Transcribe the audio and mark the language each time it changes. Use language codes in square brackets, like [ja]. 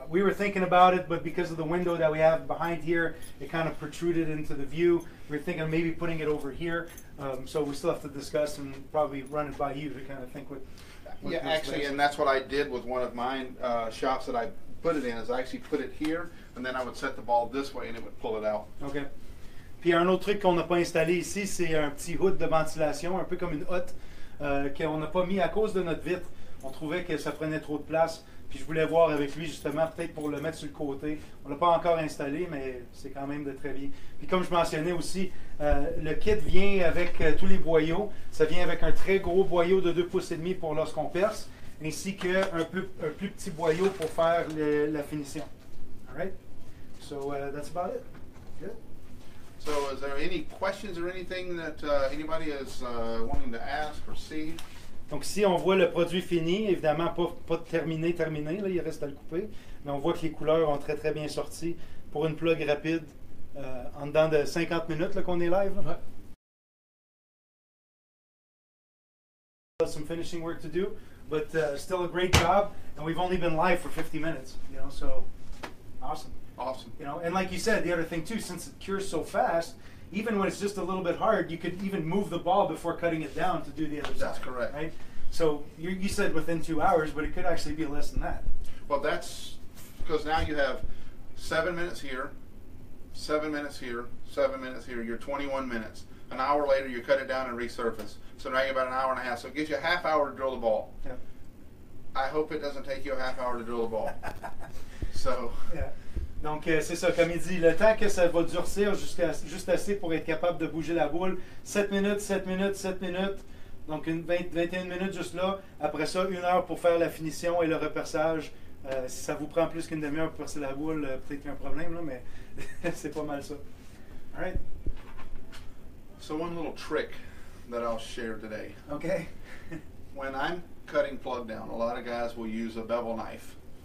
[en] We were thinking about it, but because of the window that we have behind here, it kind of protruded into the view. We were thinking of maybe putting it over here. So we still have to discuss and probably run it by you to kind of think what yeah, actually, space. And that's what I did with one of mine shops that I put it in, is I actually put it here, and then I would set the ball this way, and it would pull it out. Okay. [fr] Puis un autre truc qu'on n'a pas installé ici, c'est un petit hood de ventilation, un peu comme une hotte, qu'on n'a pas mis à cause de notre vitre. On trouvait que ça prenait trop de place. Puis je voulais voir avec lui justement, peut-être pour le mettre sur le côté. On l'a pas encore installé, mais c'est quand même de très bien. Puis comme je mentionnais aussi, le kit vient avec tous les boyaux. Ça vient avec un très gros boyau de 2 pouces et demi pour lorsqu'on perce, ainsi qu'un plus petit boyau pour faire la finition. [en] All right? So that's about it. Good? So is there any questions or anything that anybody is wanting to ask or see? [fr] Donc ici, on voit le produit fini, évidemment pas terminé, là, il reste à le couper, mais on voit que les couleurs ont très très bien sorti pour une plug rapide en dedans de 50 minutes là, qu'on est live. Ouais. [en] Some finishing work to do, but still a great job, and we've only been live for 50 minutes, you know, so awesome. You know, and like you said, the other thing too, since it cures so fast, even when it's just a little bit hard, you could even move the ball before cutting it down to do the other that's side. That's correct. Right? So you said within 2 hours, but it could actually be less than that. Well, that's because now you have 7 minutes here, 7 minutes here, 7 minutes here. You're 21 minutes. An hour later, you cut it down and resurface. So now you're about an hour and a half. So it gives you a half hour to drill the ball. Yeah. I hope it doesn't take you a half hour to drill the ball. So. Yeah. [fr] Donc, c'est ça, comme il dit, le temps que ça va durcir juste assez pour être capable de bouger la boule, 7 minutes, 7 minutes, 7 minutes, donc 21 minutes juste là, après ça, une heure pour faire la finition et le repersage. Si ça vous prend plus qu'une demi-heure pour percer la boule, peut-être qu'il y a un problème, là, mais c'est pas mal ça. [en] All right. So, one little trick that I'll share today. Okay. When I'm cutting plug down, a lot of guys will use a bevel knife.